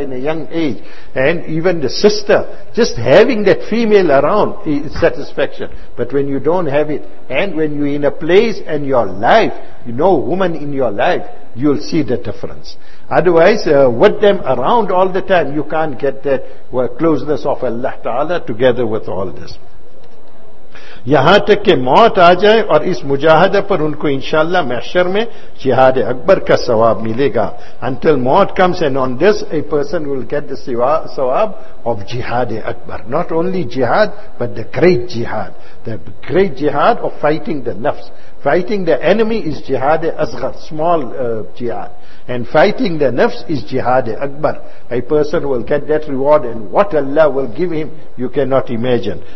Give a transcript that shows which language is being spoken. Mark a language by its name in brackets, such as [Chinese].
[English] in a young age, and even the sister, just having that female around is satisfaction. But when you don't have it, and when you're in a place and your life, you know, woman in your life, you'll see the difference. Otherwise, with them around all the time, you can't get that closeness of Allah Ta'ala together with all this. [Urdu] یہاں تک کہ موت آ جائے اور اس مجاہدہ پر ان کو انشاءاللہ محشر میں جہاد اکبر کا ثواب ملے گا. [English] Until موت comes, and on this a person will get the ثواب of جہاد اکبر. Not only جہاد, but the great جہاد. The great جہاد of fighting the nafs. Fighting the enemy is جہاد اصغر, small جہاد. And fighting the nafs is جہاد اکبر. A person will get that reward, and what Allah will give him, you cannot imagine.